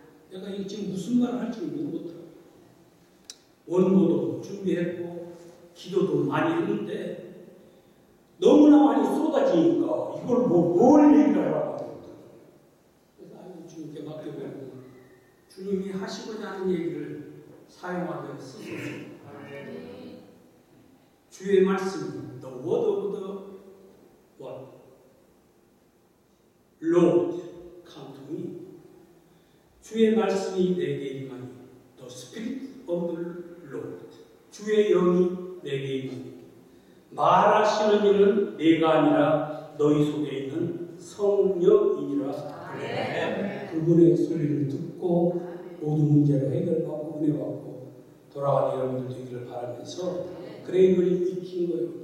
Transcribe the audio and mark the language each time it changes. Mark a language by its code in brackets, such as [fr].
[ko] 내가 지금 무슨 말을 할지 모르겠다. 원고도 준비했고 기도도 많이 했는데 너무나 많이 쏟아지니까 이걸 뭘 얘기하라고 하더라고요. 그래서 아니, 주님께 맡겨보고 주님이 하시고자 하는 얘기를 사용하게 쓰소서. 주의 말씀, [en] The word of the what? Lord, come to me. [ko] 주의 말씀이 내게 임하니, [en] The spirit of the Lord. [ko] 주의 영이 내게 임하니, 말하시는 이는 내가 아니라 너희 속에 있는 성령이니라. 그분의 소리를 듣고 모든 문제를 해결받고 은혜 받고 돌아가는 여러분들 되기를 바라면서 그레임을 익힌 거예요.